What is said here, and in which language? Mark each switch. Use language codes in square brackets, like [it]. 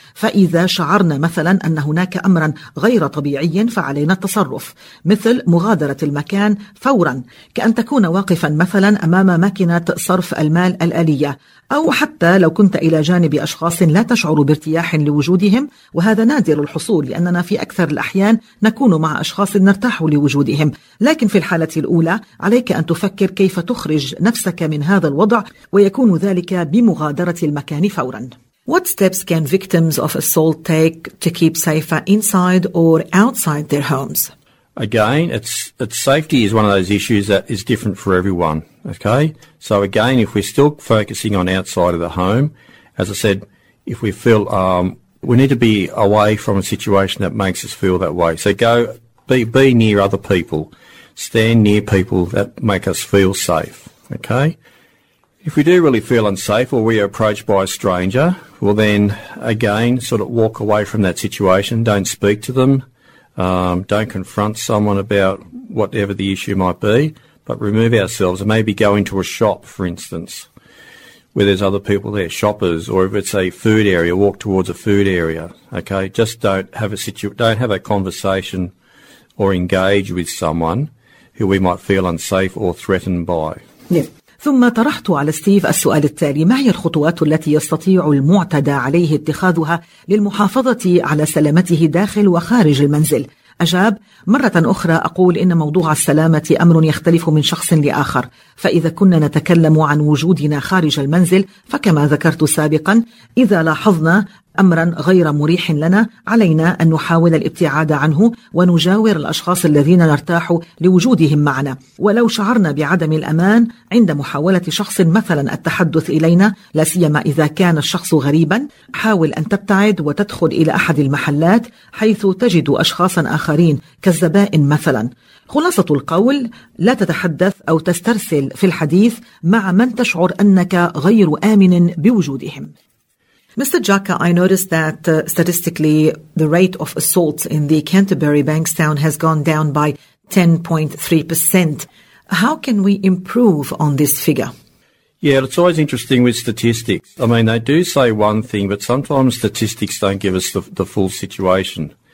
[ar] فإذا شعرنا مثلا أن هناك أمرا غير طبيعي فعلينا التصرف، مثل مغادرة المكان فورا، كأن تكون واقفا مثلا أمام ماكينة صرف المال الآلية، أو حتى لو كنت إلى جانب أشخاص لا تشعر بارتياح لوجودهم، وهذا نادر الحصول لأننا في أكثر الأحيان نكون مع أشخاص نرتاح لوجودهم. لكن في الحالة الأولى عليك أن تفكر كيف تخرج نفسك من هذا الوضع، ويكون ذلك بمغادرة المكان فورا. [en] What steps can victims of assault take to keep safer inside or outside their homes? Again, it's safety is one of those issues that is different for everyone, okay? So again, if we're still focusing on outside of the home, as I said, if we feel we need to be away from a situation that makes us feel that way. So go be near other people, stand near people that make us feel safe, okay? If we do really feel unsafe or we are approached by a stranger, well then, again, sort of walk away from that situation, don't speak to them, don't confront someone about whatever the issue might be, but remove ourselves and maybe go into a shop, for instance, where there's other people there, shoppers, or if it's a food area, walk towards a food area, okay? Just don't have a conversation or engage with someone who we might feel unsafe or threatened by. Yeah. [ar] ثم طرحت على ستيف السؤال التالي: ما هي الخطوات التي يستطيع المعتدى عليه اتخاذها للمحافظة على سلامته داخل وخارج المنزل؟ أجاب: مرة أخرى أقول إن موضوع السلامة أمر يختلف من شخص لآخر. فإذا كنا نتكلم عن وجودنا خارج المنزل، فكما ذكرت سابقا، إذا لاحظنا أمرا غير مريح لنا علينا أن نحاول الابتعاد عنه ونجاور الأشخاص الذين نرتاح لوجودهم معنا. ولو شعرنا بعدم الأمان عند محاولة شخص مثلا التحدث إلينا، لا سيما إذا كان الشخص غريبا، حاول أن تبتعد وتدخل إلى أحد المحلات حيث تجد أشخاصا آخرين كالزبائن مثلا. خلاصة القول: لا تتحدث أو تسترسل في الحديث مع من تشعر أنك غير آمن بوجودهم. [en] Mr. Jaka, I noticed that statistically the rate of assaults in the Canterbury Bankstown has gone down by 10.3%. How can we improve on this figure? Yeah, it's always interesting with statistics. I mean, they do say one thing, but sometimes statistics don't give us the full situation.